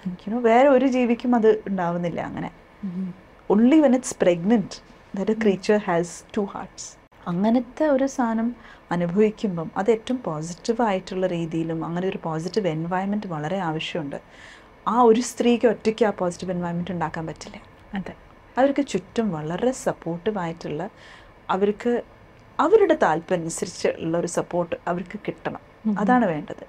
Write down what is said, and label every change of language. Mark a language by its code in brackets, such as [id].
[ml] You know വേറെ ഒരു ജീവിക്കും അത് ഉണ്ടാവുന്നില്ല. [en] അങ്ങനെ only when it's pregnant that a creature has two hearts. [ml] അങ്ങനത്തെ ഒരു സാധനം അനുഭവിക്കുമ്പം അത് ഏറ്റവും പോസിറ്റീവ് ആയിട്ടുള്ള രീതിയിലും അങ്ങനെ ഒരു പോസിറ്റീവ് എൻവയൺമെൻറ്റ് വളരെ ആവശ്യമുണ്ട്. ആ ഒരു സ്ത്രീക്ക് ഒറ്റയ്ക്ക് ആ പോസിറ്റീവ് എൻവയൺമെൻറ്റ് ഉണ്ടാക്കാൻ പറ്റില്ല. അതെ, അവർക്ക് ചുറ്റും വളരെ സപ്പോർട്ടീവ് ആയിട്ടുള്ള, അവർക്ക് അവരുടെ താല്പര്യം അനുസരിച്ചുള്ള ഒരു സപ്പോർട്ട് അവർക്ക് കിട്ടണം, അതാണ് വേണ്ടത്.